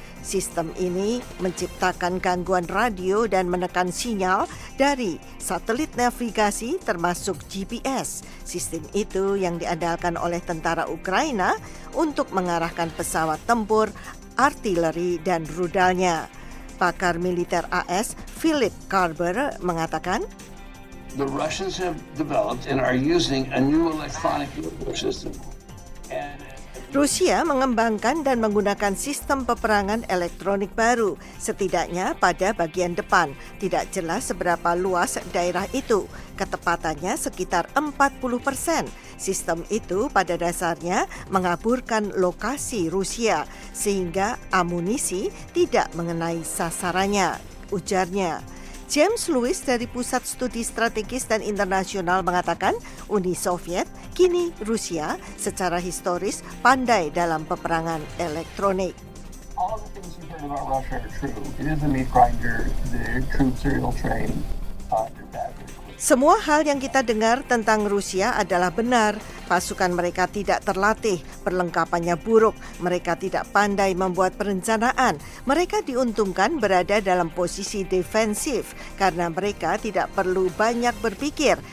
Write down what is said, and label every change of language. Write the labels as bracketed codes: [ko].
[id] Sistem ini menciptakan gangguan radio dan menekan sinyal dari satelit navigasi termasuk GPS. Sistem itu yang diandalkan oleh tentara Ukraina untuk mengarahkan pesawat tempur, artileri, dan rudalnya. Pakar militer AS Philip Carver mengatakan, [en] "The Russians have developed and are using a new electronic warfare system." [id] Rusia mengembangkan dan menggunakan sistem peperangan elektronik baru, setidaknya pada bagian depan. Tidak jelas seberapa luas daerah itu. Ketepatannya sekitar 40%. Sistem itu pada dasarnya mengaburkan lokasi Rusia, sehingga amunisi tidak mengenai sasarannya, ujarnya. James Lewis dari Pusat Studi Strategis dan Internasional mengatakan, Uni Soviet, kini Rusia, secara historis pandai dalam peperangan elektronik. [en] All the things you've heard about Russia are true. It is a meat grinder, the troops are ill-trained. [id] Semua hal yang kita dengar tentang Rusia adalah benar. Pasukan mereka tidak terlatih, perlengkapannya buruk, mereka tidak pandai membuat perencanaan. Mereka diuntungkan berada dalam posisi defensif karena mereka tidak perlu banyak berpikir.